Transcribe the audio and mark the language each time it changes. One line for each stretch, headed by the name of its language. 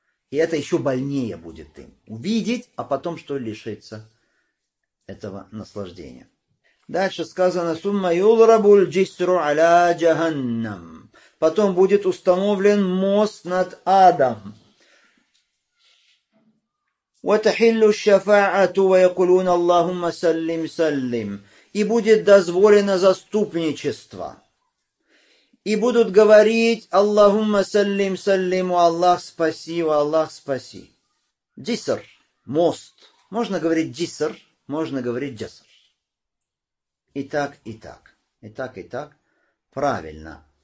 Russian: И это еще больнее будет им. Увидеть, а потом что лишиться этого наслаждения. Дальше сказано,
Arabic: «Сумма юлрабуль джисру аля джаганнам».
Russian: Потом будет установлен мост над адом.
Arabic: وتحل الشفاعة ويقولون اللهم سلم سلم.
Russian: И будет дозволено заступничество. И будут говорить
Arabic: Аллахумма саллим саллиму,
Russian: Аллах спаси, Аллах спаси. Джиср, мост. Можно говорить джиср, можно говорить джаср. И так, и так. И так, и так. Правильно.